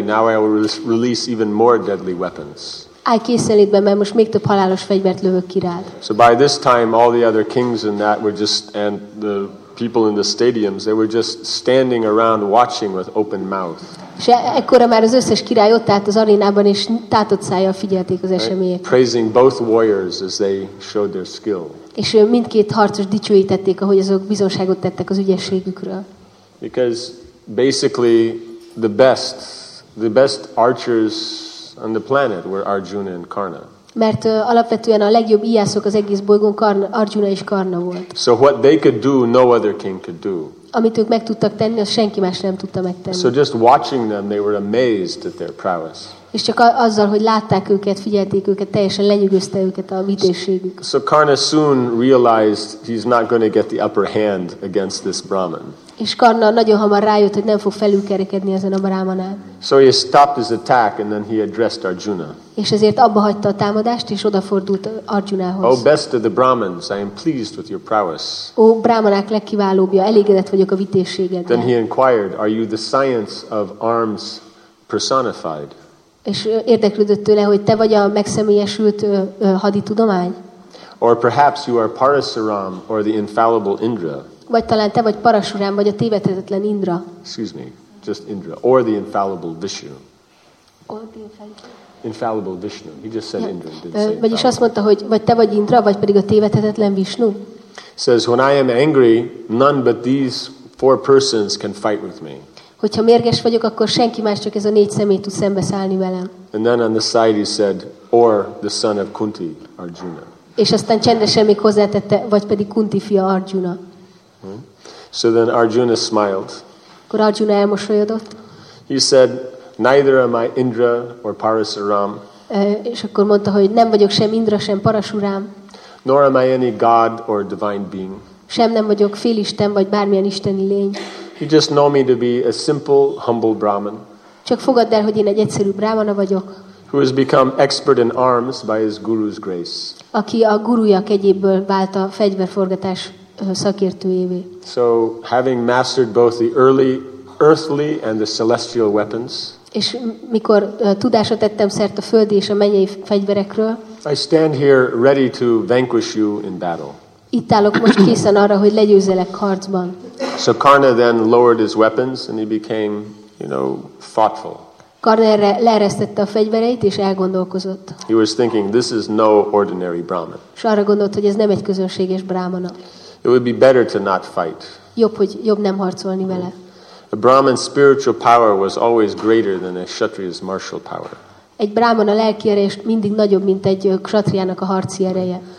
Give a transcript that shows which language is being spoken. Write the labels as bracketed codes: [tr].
[en] Now I will release even more deadly weapons. [hu] Állj készenlétbe, mert most még több halálos fegyvert lövök ki rád. [en] So by this time, all the other kings and that were just, and the people in the stadiums, they were just standing around watching with open mouth. [hu] És ekkora már az összes király ott állt az arénában, és tátott szájjal figyelték az eseményeket. [en] Praising both warriors as they showed their skill. [hu] És mindkét harcos dicsőítették, ahogy azok bizonságot tettek az ügyességükről. [en] Because basically the best archers on the planet were Arjuna and Karna. [hu] Mert alapvetően a legjobb íjászok az egész bolygón Arjuna és Karna volt. [en] So what they could do, no other king could do. [hu] Amit ők meg tudtak tenni, azt senki más nem tudta megtenni. [en] So just watching them, they were amazed at their prowess. [hu] És csak azzal, hogy látták őket, figyelték őket, teljesen lenyűgözte őket a vitézségük. [en] So Karna soon realized he's not going to get the upper hand against this Brahman. [hu] És Karna nagyon hamar rájött, hogy nem fog felülkerekedni ezen a brahmanán. [en] So he stopped his attack, and then he addressed Arjuna. [hu] És ezért abbahagyta a támadást, és odafordult Arjunához. [en] Oh, best of the Brahmins, I am pleased with your prowess. [hu] Ó, brahmanák legkiválóbbja, elégedett vagyok a vitézségeddel. [en] Then he inquired, are you the science of arms personified? [hu] És érdeklődött tőle, hogy te vagy a megszemélyesült haditudomány? [en] Or perhaps you are Parasuram or the infallible Indra. [hu] Vagy talán te vagy Parasuram, vagy a tévedhetetlen Indra. [en] Excuse me, just Indra. Or the infallible Vishnu. Or the infallible Vishnu. He just said, yeah. Indra. Didn't [hu] say vagyis azt mondta, hogy vagy te vagy Indra, vagy pedig a tévedhetetlen Vishnu. [en] Says, when I am angry, none but these four persons can fight with me. [hu] Hogyha mérges vagyok, akkor senki más, csak ez a négy személy tud szembeszállni velem. [en] And then on the side he said, or the son of Kunti, Arjuna. [hu] És aztán csendesen még hozzátette, vagy pedig Kunti fia Arjuna. [en] So then Arjuna smiled. [hu] Akkor Arjuna elmosolyodott. [en] He said, neither am I Indra or Parasuram. [hu] És akkor mondta, hogy nem vagyok sem Indra, sem Parasuram. [en] Nor am I any god or divine being. [hu] Sem nem vagyok félisten vagy bármilyen isteni lény. [en] You just know me to be a simple, humble Brahman. [hu] Csak fogadd el, hogy én egy egyszerű brahmana vagyok. [en] Who has become expert in arms by his guru's grace. [hu] Aki a gurúja kegyéből vált a fegyverforgatás szakértőjévé. [en] So, having mastered both the early earthly and the celestial weapons. [hu] És mikor tudásra tettem szert a földi és a mennyei fegyverekről. [en] I stand here ready to vanquish you in battle. [hu] Itt állok most készen arra, hogy legyőzelek harcban. [en] So Karna then lowered his weapons and he became, you know, thoughtful. [hu] Karna erre leeresztette a fegyvereit és elgondolkozott. [en] He was thinking, this is no ordinary Brahman. [hu] És arra gondolt, hogy ez nem egy közönséges brahmana. [en] It would be better to not fight. [hu] Jobb nem harcolni vele. [en] A Brahman's spiritual power was always greater than a Kshatriya's martial power. [hu] Egy brahmana lelki ereje mindig nagyobb, mint egy kshatriának a harci ereje.